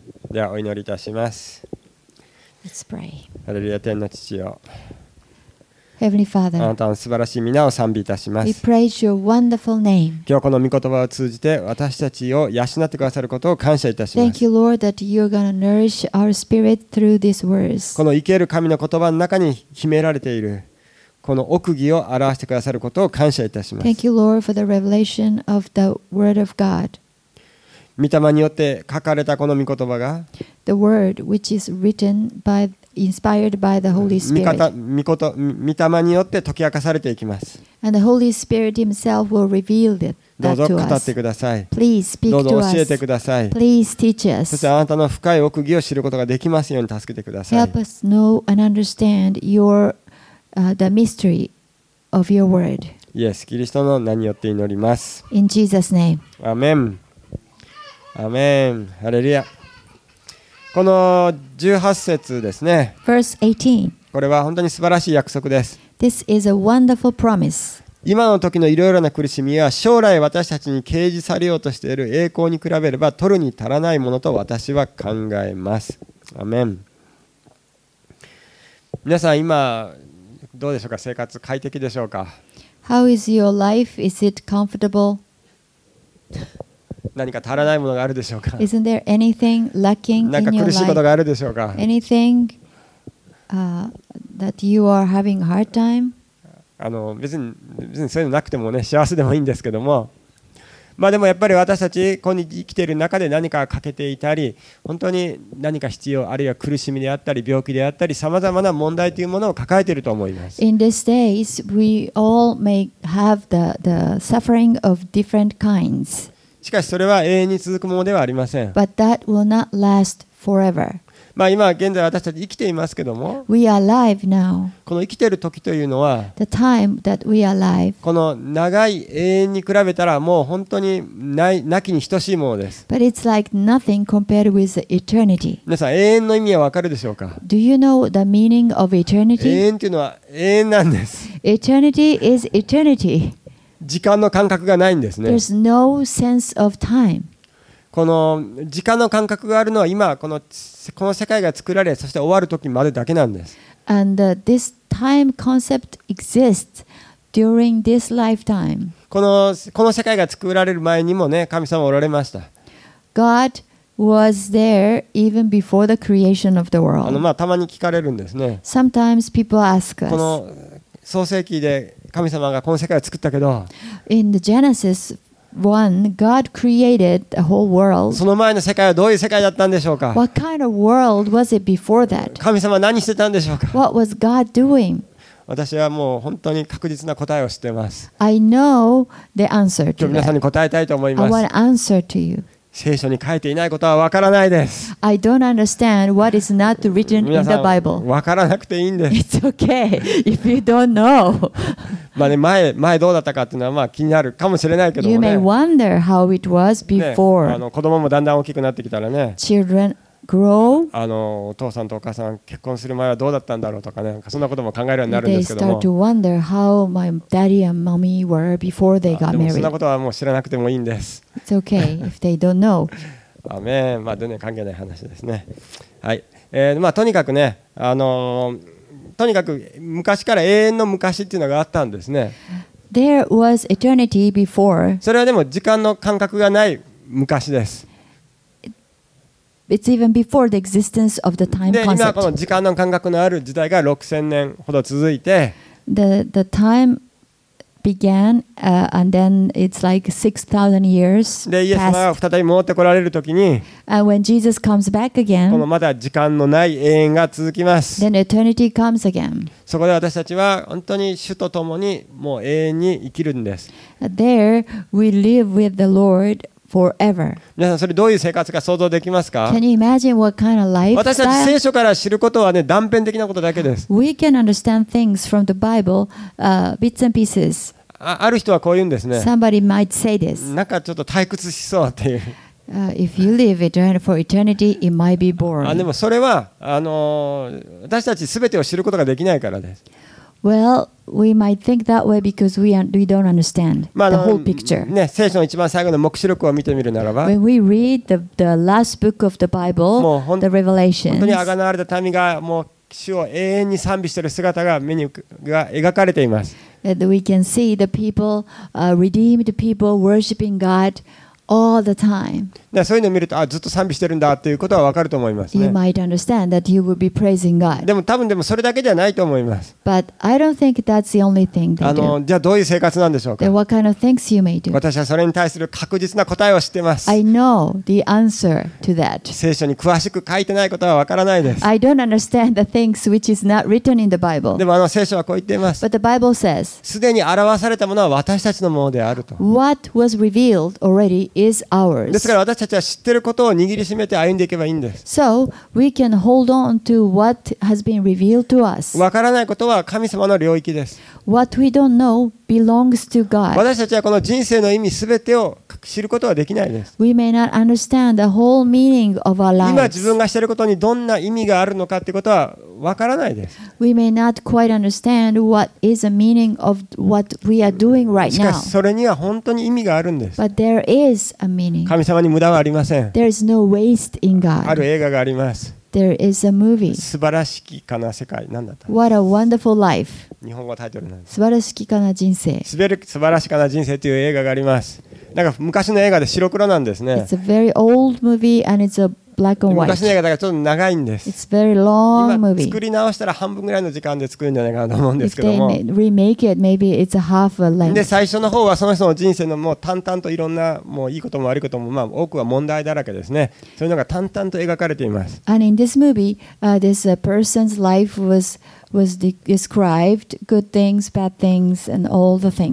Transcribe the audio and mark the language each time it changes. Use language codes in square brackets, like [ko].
[ja] ではお祈りいたします。 [en] Let's pray. [ja] ハレルヤ。天の父よ、 [en] Heavenly Father, [ja] あなたの素晴らしい皆を賛美いたします。 [en] We praise your wonderful name. [ja] 今日この御言葉を通じて私たちを養ってくださることを感謝いたします。 [en] Thank you, Lord, that you're going to nourish our spirit through these words. [ja] この生ける神の言葉の中に秘められているこの奥義を表してくださることを感謝いたします。 [en] Thank you, Lord, for the revelation of the word of God. [ja] 御霊によって書かれたこの御言葉が、 [en] The word which is written byInspired by the Holy Spirit. [ja] 御霊によって解き明かされていきます。 [en] And the Holy Spirit himself will reveal that to us. [ja] どうぞ語ってください。 [en] Please speak to us. [ja] どうぞ教えてください。 [en] Please teach us. [ja] そしてあなたの深い奥義を知ることができますように助けてください。 [en] Help us know and understand the mystery of your word. [ja] イエス・キリストの名によって祈ります。 [en] In Jesus' name. [ja] アメン。アメン。ハレルヤ。この18節ですね。 [en] Verse 18. [ja] これは本当に素晴らしい約束です。 [en] This is a wonderful promise. [ja] 今の時のいろいろな苦しみは将来私たちに掲示されようとしている栄光に比べれば取るに足らないものと私は考えます。アメン。皆さん今どうでしょうか。生活快適でしょうか。 [en] How is your life? Is it comfortable? [ja] 何か足らないものがあるでしょうか。 [en] Isn't there anything lacking in your life? [ja] 何か苦しいことがあるでしょうか。 [en] Anything that you are having a hard time? [ja] あの別にそういうのなくてもね幸せでもいいんですけども、まあでもやっぱり私たち今日生きている中で何か欠けていたり本当に何か必要あるいは苦しみであったり病気であったりさまざまな問題というものを抱えていると思います。 [en] In these days we all may have the suffering of different kinds. [ja] しかしそれは永遠に続くものではありません。 [en] But that will not last forever. [ja] まあ、今現在私たち生きていますけども [en] We are alive now. [ja] この生きている時というのは [en] The time that we are alive. [ja] この長い永遠に比べたらもう本当に無きに等しいものです。 [en] But it's like nothing compared with eternity. [ja] 皆さん永遠の意味は分かるでしょうか。 [en] Do you know the meaning of eternity? [ja] 永遠というのは永遠なんです。 [en] Eternity is eternity. [ja] 時間の感覚がないんですね。 [en] There's no sense of time. [ja] この時間の感覚があるのは今この世界が作られそして終わる時までだけなんです。 [en] And this time concept exists during this lifetime. [ja] この世界が作られる前にもね神様おられました。 [en] God was there even before the creation of the world. [ja] たまに聞かれるんですね。 [en] Sometimes people ask us. [ja] この創世記で神様がこの世界を作ったけど [en] In the Genesis One, God created the whole world. [ja] その前の世界はどういう世界だったんでしょうか。 [en] What kind of world was it before that? [ja] 神様は何してたんでしょうか。 [en] What was God doing? [ja] 私はもう本当に確実な答えを知ってます。 [en] I know the answer to that. [ja] 今日皆さんに答えたいと思います。 [en] I want to answer to you. [ja] 聖書に書いていないことはわからないです。 [en] I don't understand what is not written in the Bible. [ja] 皆さん、わからなくていいんです。 [en] It's okay if you don't know. [ja] まあね、前どうだったかっていうのはまあ気になるかもしれないけどもね。 [en] You may wonder how it was before. [ja] ね、子供もだんだん大きくなってきたらね。 [en] Children grow. [ja] お父さんとお母さん結婚する前はどうだったんだろうとかね、そんなことも考えるようになるんですけども。 [en] They start to wonder how my daddy and mommy were before they got married. [ja] でもそんなことはもう知らなくてもいいんです。 [en] It's okay if they don't know. [ja] アメン。まあ全然関係ない話ですね。はい。まあとにかくね、とにかく昔から永遠の昔っていうのがあったんですね。 [en] There was eternity before. [ja] それはでも時間の感覚がない昔です。 [en] It's even before the existence of the time concept. [ja] で今この時間の感覚のある時代が6000年ほど続いて [en] the time began, and then it's like 6000 years [ja] で、イエス様が再び戻ってこられるときに、 [en] and when Jesus comes back again, [ja] このまだ時間のない永遠が続きます。 [en] Then eternity comes again. [ja] そこで私たちは本当に主と共にもう永遠に生きるんです。 [en] There we live with the Lord forever. [ja] 皆さんそれどういう生活か想像できますか？ [en] Can you imagine what kind of lifestyle? [ja] 私たち聖書から知ることはね断片的なことだけです。 [en] We can understand things from the Bible, bits and pieces. [ja] ある人はこう言うんですね。 [en] Somebody might say this. [ja] なんかちょっと退屈しそうっていう。 [en] If you live it for eternity, it might be boring. [ja] でもそれは私たち全てを知ることができないからです。 [en] Well, we might think that way because we don't understand the whole picture. [ja] ね、聖書の一番最後の黙示録を見てみるならば、 [en] when we read the last book of the Bible, the Revelation, [ja] 本当に贖われた民がもう主を永遠に賛美している姿が目にが描かれています。 [en] And we can see the people, redeemed people worshiping God. All the time. [ja] だそういうのを見るとあずっと賛美してるんだっていうことはわかると思いますね。 [en] You might understand that you will be praising God. [ja] でも多分でもそれだけじゃないと思います。 [en] But I don't think that's the only thing they do. [ja] じゃあどういう生活なんでしょうか。 [en] Then what kind of things you may do? [ja] 私はそれに対する確実な答えを知ってます。 [en] I know the answer to that. [ja] 聖書に詳しく書いてないことはわからないです。 [en] I don't understand the things which is not written in the Bible. [ja] でも聖書はこう言っています。 [en] But the Bible says. [ja] すでに表されたものは私たちのものであると。 [en] What was revealed already is Is ours. [ja] ですから私たちは知ってることを握りしめて歩んでいけばいいんです。 [en] So we can hold on to what has been revealed to us. [ja] わからないことは神様の領域です。 [en] What we don't know belongs to God. [ja] 私たちはこの人生の意味すべてを知ることはできないです。 [en] We may not understand the whole meaning of our lives. [ja] 今自分がしていることにどんな意味があるのかということはわからないです。 [en] We may not quite understand what is the meaning of what we are doing right now. [ja] しかしそれには本当に意味があるんです。 [en] But there is a meaning. [ja] 神様に無駄はありません。 [en] There is no waste in God. [ja] ある映画があります。 [en] There is a movie. [ja] 素晴らしきかな世界、何だった [en] ？What a wonderful life. [ja] 日本語タイトルなんです。素晴らしきかな人生。素晴らしきかな人生という映画があります。なんか昔の映画で白黒なんですね。 [en] It's a very old movie and it's a black and white. [ja] 昔の映画だからちょっと長いんです。 [en] It's very long movie. [ja] 今作り直したら半分ぐらいの時間で作るんじゃないかなと思うんですけども。 [en] If they remake it, maybe it's a half a length. [ja] で最初の方はその人の人生のもう淡々といろんなもういいことも悪いこともまあ多くは問題だらけですね。そういうのが淡々と描かれています。 [en] And in this movie, this person's life was described good things, bad things, and all the things.